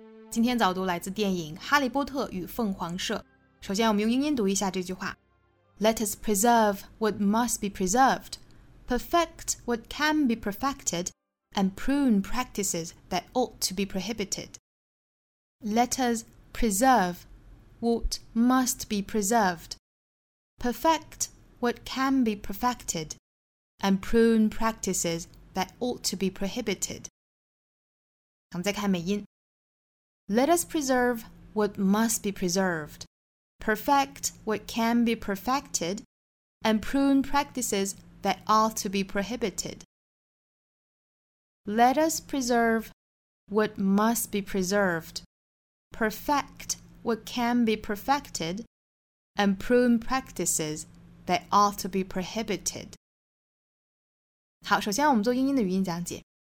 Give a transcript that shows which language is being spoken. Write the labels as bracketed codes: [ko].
[zh] 今天早读来自电影《哈利波特与凤凰社》。首先我们用英音读一下这句话。 [en] Let us preserve what must be preserved, perfect what can be perfected,and prune practices that ought to be prohibited. Let us preserve what must be preserved, perfect what can be perfected, and prune practices that ought to be prohibited. [zh] 我们再看美音。 [en] Let us preserve what must be preserved, perfect what can be perfected, and prune practices that ought to be prohibited. Let us preserve what must be preserved, perfect what can be perfected, and prune practices that ought to be prohibited. [zh] 好，首先我们做英音的语音讲解。